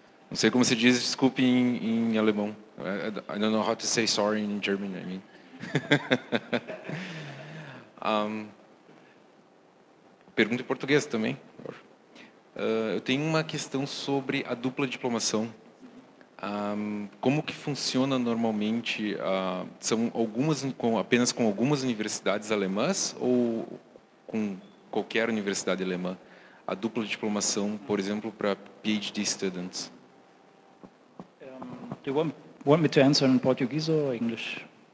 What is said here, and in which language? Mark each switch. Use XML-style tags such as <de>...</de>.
<pt>Não sei como se diz desculpe em alemão.</pt> <en>I don't know how to say sorry in German, I mean.</en> <pt>Pergunta em português também. Eu tenho uma questão sobre a dupla diplomação. Como que funciona normalmente? São algumas, apenas com algumas universidades alemãs ou com qualquer universidade alemã, a dupla diplomação, por exemplo, para PhD students?</pt> <en>Do you want me to answer in Portuguese or English?</en>